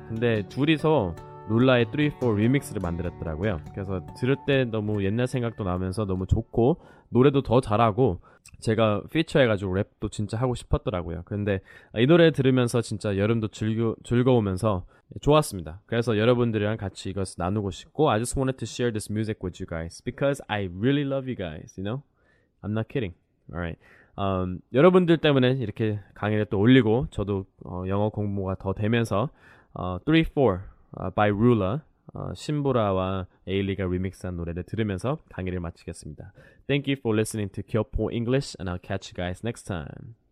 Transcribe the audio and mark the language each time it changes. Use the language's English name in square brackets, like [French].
[Korean] 근데 둘이서 룰라의 3-4 리믹스를 만들었더라고요. 그래서 들을 때 너무 옛날 생각도 나면서 너무 좋고 노래도 더 잘하고 제가 피처해가지고 랩도 진짜 하고 싶었더라고요. 근데 이 노래 들으면서 진짜 여름도 즐거우면서 좋았습니다. 그래서 여러분들이랑 같이 이것을 나누고 싶고 [English] I just wanted to share this music with you guys because I really love you guys, you know? I'm not kidding. Alright. [Korean] 여러분들 때문에 이렇게 강의를 또 올리고 저도 영어 공부가 더 되면서 3-4 by Rula 신보라와 에일리가 리믹스한 노래를 들으면서 강의를 마치겠습니다. [English] Thank you for listening to 교포 English and I'll catch you guys next time.